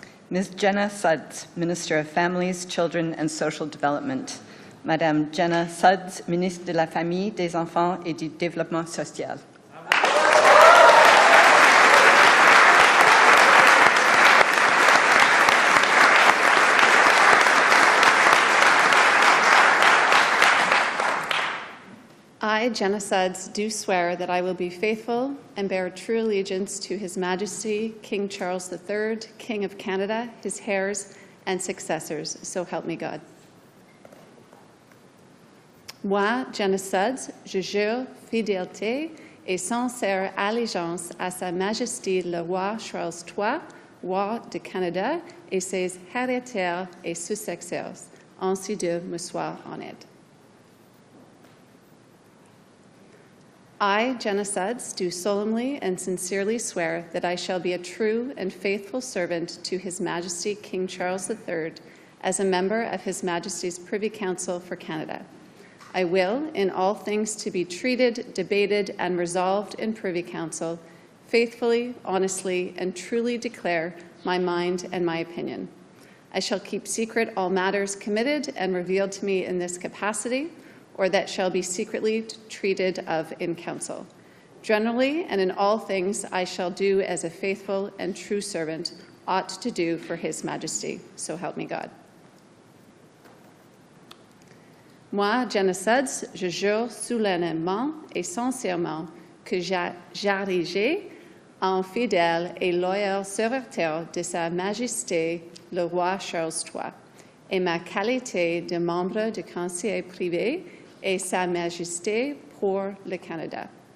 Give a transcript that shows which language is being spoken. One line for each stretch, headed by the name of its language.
English: Ms. Jenna Sudds, Minister of Families, Children and Social Development.
French: Madame Jenna Sudds, Ministre de la Famille, des Enfants et du Développement Social.
English: I, Jenna Sudds, do swear that I will be faithful and bear true allegiance to His Majesty King Charles III, King of Canada, his heirs and successors. So help me God.
French: Moi, Jenna Sudds, je jure fidélité et sincère allégeance à Sa Majesté le Roi Charles III, Roi de Canada, et ses héritiers et successeurs. Ainsi Dieu me soit en aide.
English: I, Jenna Sudds, do solemnly and sincerely swear that I shall be a true and faithful servant to His Majesty King Charles III as a member of His Majesty's Privy Council for Canada. I will, in all things to be treated, debated, and resolved in Privy Council, faithfully, honestly, and truly declare my mind and my opinion. I shall keep secret all matters committed and revealed to me in this capacity, or that shall be secretly treated of in council. Generally and in all things, I shall do as a faithful and true servant ought to do for His Majesty. So help me God.
French: Moi, Jenna Sudds, je jure solennellement et sincèrement que j'agirai en fidèle et loyal serviteur de Sa Majesté le Roi Charles III et ma qualité de membre du conseil privé et Sa Majesté pour le Canada.